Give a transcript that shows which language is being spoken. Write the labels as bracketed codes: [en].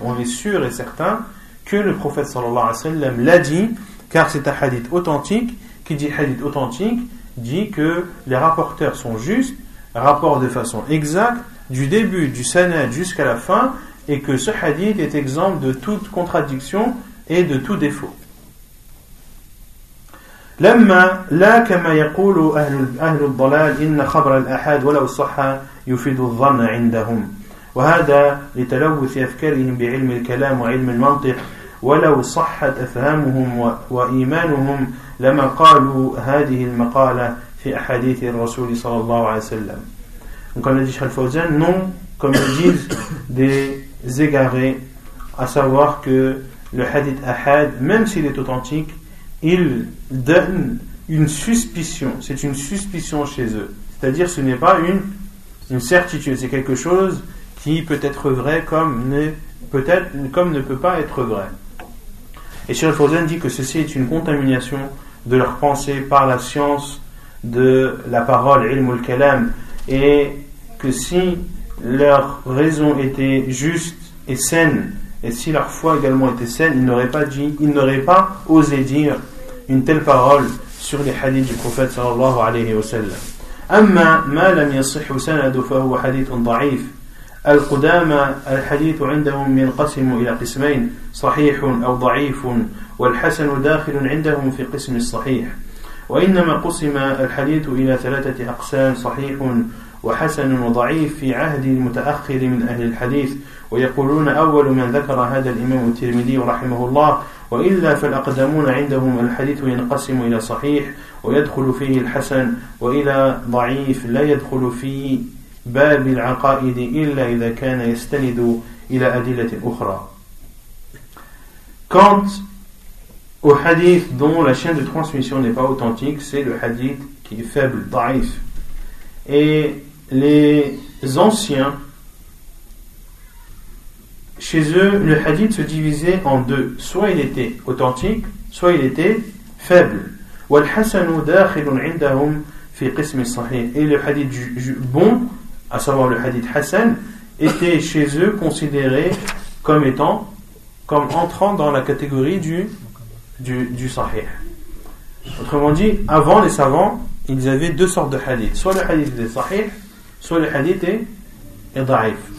[fr] On est sûr et certain que le prophète sallallahu alayhi wa sallam l'a dit, car c'est un hadith authentique. Qui dit hadith authentique dit que les rapporteurs sont justes, rapportent de façon exacte du début du sanad jusqu'à la fin, et que ce hadith est exempt de toute contradiction et de tout défaut. [ar] لما لا كما يقول أهل الضلال إن خبر الأحد ولو صح يفيد الظن عندهم وهذا لتلوث أفكارهم بعلم الكلام وعلم المنطق ولو صحت أفهامهم وإيمانهم لما قالوا هذه المقالة في أحاديث الرسول صلى الله عليه وسلم. [fr] Donc on a dit, Al-Fawzan, non, comme ils disent des égarés, à savoir que le hadith ahad, même s'il est authentique, il donne une suspicion. C'est une suspicion chez eux. C'est-à-dire, ce n'est pas une certitude. C'est quelque chose qui peut être vrai comme ne peut pas être vrai. Et Cheikh Al-Fawzan dit que ceci est une contamination de leur pensée par la science de la parole, ilm al-kalam, et que si leur raison était juste et saine, et si leur foi également était saine, ils n'auraient pas osé dire une telle parole sur les hadiths du prophète sallallahu alayhi wa sallam. [ar] Amma ma lam yassih sanadu fa huwa hadith da'if. القدامى الحديث عندهم ينقسم إلى قسمين صحيح أو ضعيف والحسن داخل عندهم في قسم الصحيح وإنما قسم الحديث إلى ثلاثة أقسام صحيح وحسن وضعيف في عهد المتأخر من أهل الحديث ويقولون أول من ذكر هذا الإمام الترمذي رحمه الله وإلا فالأقدمون عندهم الحديث ينقسم إلى صحيح ويدخل فيه الحسن وإلى ضعيف لا يدخل فيه باب العقائد إلا إذا كان يستند إلى أدلة أخرى. [fr] Quant au hadith dont la chaîne de transmission n'est pas authentique, c'est le hadith qui est faible, da'if. Et les anciens, chez eux, le hadith se divisait en deux. Soit il était authentique, soit il était faible. [ar] والحسن داخل عندهم في قسم الصحيح. [fr] Et le hadith bon, à savoir le hadith Hassan, était chez eux considéré comme entrant dans la catégorie du sahih. Autrement dit, avant les savants, ils avaient deux sortes de hadith. Soit le hadith est sahih, soit le hadith est da'if.